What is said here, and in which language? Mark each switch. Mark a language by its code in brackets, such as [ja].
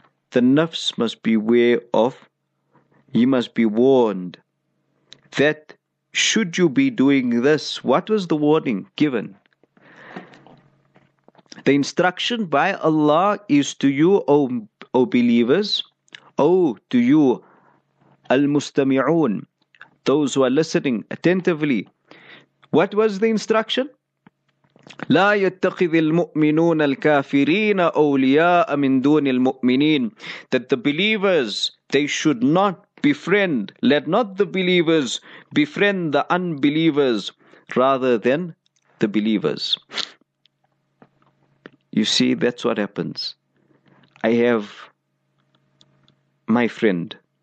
[en] The nafs must beware of, he must be warned, that should you be doing this, what was the warning given? The instruction by Allah is to you, O believers, O to you, Al-Mustami'un, those who are listening attentively. What was the instruction? [ar] لا يتخذ المؤمنون الكافرين أولياء من دون المؤمنين. [en] That the believers, they should not befriend, let not the believers befriend the unbelievers rather than the believers. You see, that's what happens. I have my friend.